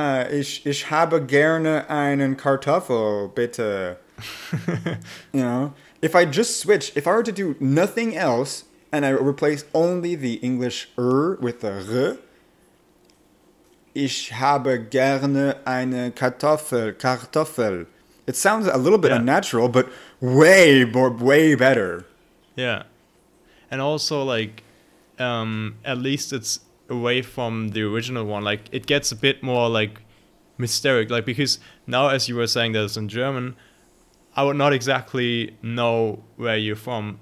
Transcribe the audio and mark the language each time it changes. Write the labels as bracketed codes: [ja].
[de] Ich habe gerne einen Kartoffel, bitte. [en] You know? If I just switch, if I were to do nothing else and I replace only the English R with the R. [de] Ich habe gerne eine Kartoffel. [en] It sounds a little bit unnatural, but way more, way better. Yeah. And also, like, at least it's away from the original one. Like, it gets a bit more, like, mysteric. Like, because now, as you were saying that it's in German, I would not exactly know where you're from.